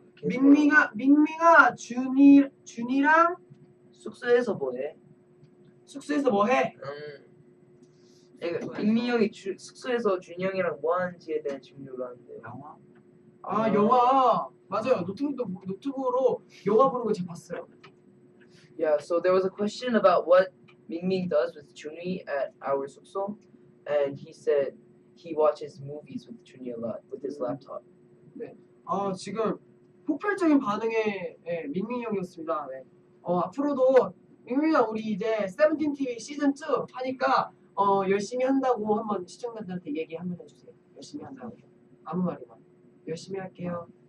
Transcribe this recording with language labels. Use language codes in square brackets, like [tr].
[ko] 네. 밍밍아 준이랑 숙소에서 뭐해? 숙소에서 뭐 해? 이거 민민 형이 숙소에서 준이 형이랑 뭐 하는지에 대한 질문을 하는데 영화? 아 영화 맞아요 노트북으로 영화 보는 거 제가 봤어요. [en] Yeah, so there was a question about what Mingming does with Junhee at our 숙소, and he said he watches movies with Junhee a lot with his laptop. [ko] 네, 아 지금 폭발적인 반응의 네, 민민 형이었습니다. 네, 앞으로도 민민아 우리 이제 세븐틴 TV 시즌 2 하니까 열심히 한다고 한번 시청자들한테 얘기 한번 해주세요. 열심히 한다고 아무 말이나 열심히 할게요.